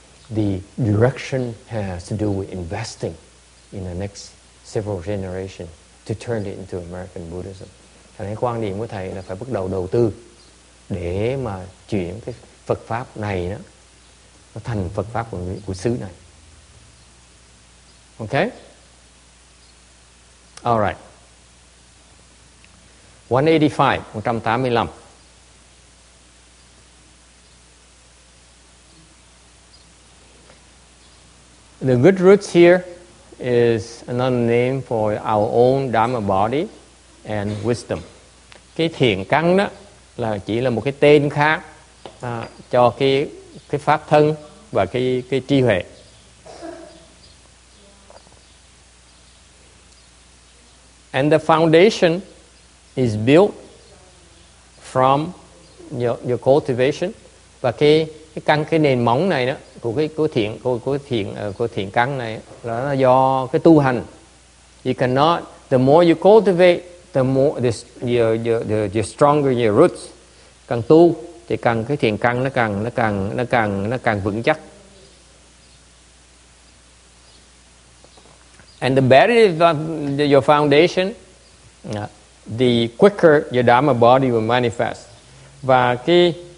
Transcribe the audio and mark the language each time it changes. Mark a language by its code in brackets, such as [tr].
[en] The direction has to do with investing in the next several generations to turn it into American Buddhism. [vi] Cho nên quan điểm của thầy là phải bắt đầu tư để mà chuyển cái Phật pháp này đó nó thành Phật pháp của xứ này. [en] Okay? All right. 185. The good roots here is another name for our own Dharma body and wisdom. [vi] Cái thiện căn đó là chỉ là một cái tên khác cho cái pháp thân và cái tri huệ. [en] And the foundation is built from your cultivation. [vi] Và cái căn, cái nền móng này đó của thiện căn này là nó do cái tu hành. [en] You cannot, the more you cultivate, the more the stronger your roots. [vi] Càng tu thì càng cái thiện căn nó càng vững chắc. [en] And the better your foundation, the quicker your Dharma body will manifest. [vi] Và cái